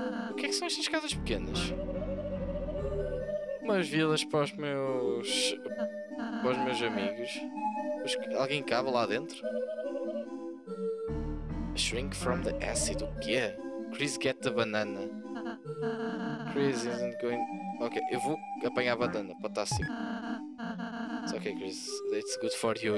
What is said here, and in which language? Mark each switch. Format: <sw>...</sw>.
<pt>O que são estas casas pequenas? Umas vilas para os meus... Para os meus amigos. Mas alguém cabe lá dentro?</pt> <en>A shrink from the acid,</en> <pt>o quê?</pt> <en>Chris, get the banana. Chris isn't going...</en> <pt>Ok, eu vou apanhar a banana, pode estar assim.</pt> <en>It's ok, Chris, it's good for you.</en>